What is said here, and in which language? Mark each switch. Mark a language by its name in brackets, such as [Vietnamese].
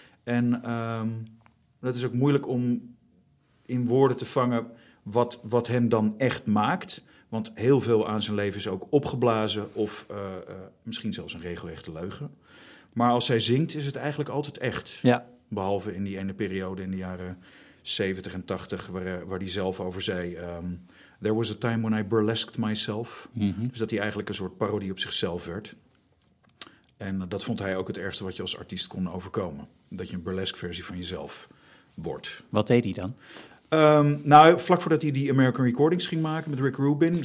[Dutch] En dat is ook moeilijk om in woorden te vangen wat hen dan echt maakt. Want heel veel aan zijn leven is ook opgeblazen of misschien zelfs een regelrechte leugen. Maar als hij zingt is het eigenlijk altijd echt. Ja. Behalve in die ene periode in de jaren 70 en 80 waar hij zelf over zei... [English] There was a time when I burlesqued myself. Mm-hmm. [Dutch] Dus dat hij eigenlijk een soort parodie op zichzelf werd. En dat vond hij ook het ergste wat je als artiest kon overkomen. Dat je een burlesque versie van jezelf wordt. Wat deed hij dan? Vlak voordat hij die American Recordings ging maken met Rick Rubin.